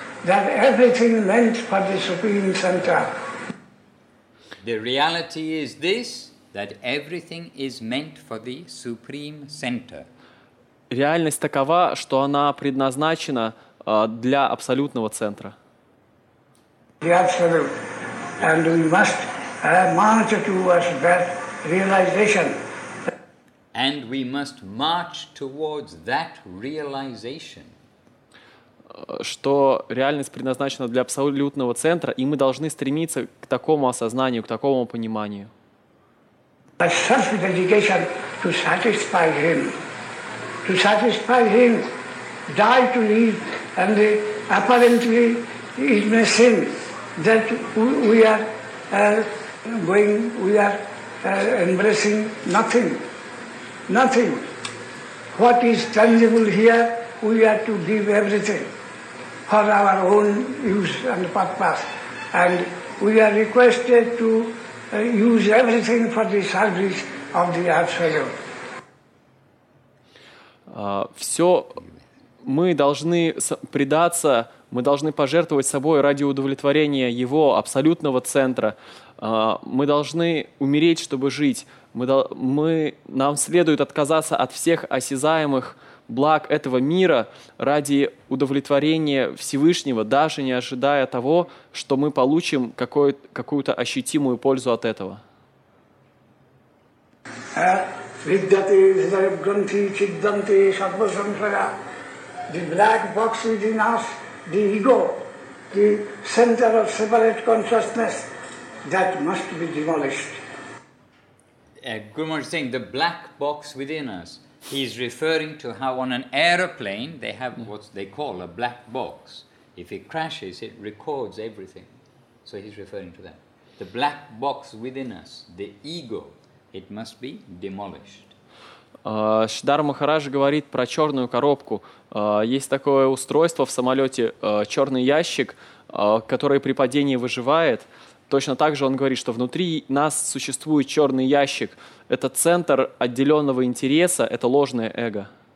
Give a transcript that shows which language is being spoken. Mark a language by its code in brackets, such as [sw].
[en] That everything meant for the Supreme Center. The reality is this, that everything is meant for the Supreme Center. [ru] Реальность такова, что она предназначена для абсолютного центра. [en] The absolute. And we must march towards that realization. And we must march towards that realization. [ru] Что реальность предназначена для абсолютного центра, и мы должны стремиться к такому осознанию, к такому пониманию. [en] By self-dedication to satisfy him. To satisfy him, die to live, and apparently it may seem that we are going, we are embracing nothing. Nothing. What is tangible here, we are to give everything. For our own use and purpose, and we are requested to use everything for the service of the Absolute. [ru] Все мы должны предаться, мы должны пожертвовать собой ради удовлетворения Его абсолютного центра. Мы должны умереть, чтобы жить. Нам следует отказаться от всех осязаемых благ этого мира ради удовлетворения Всевышнего, даже не ожидая того, что мы получим какую-то ощутимую пользу от этого. [sa] Vidyate Sarvagranthi Chiddante Sarvasamsara. [en] The black box is in us, the ego, the center of separate consciousness, that must be demolished. Guru Maharaj is saying the black box within us. He's referring to how on an aeroplane they have what they call a black box. If it crashes, it records everything. So he's referring to that. The black box within us, the ego, it must be demolished. [ru] Шридхар Махарадж говорит про черную коробку. Есть такое устройство в самолете, черный ящик, который при падении выживает. Точно так же он говорит, что внутри нас существует черный ящик. Это центр отделенного интереса, это ложное эго.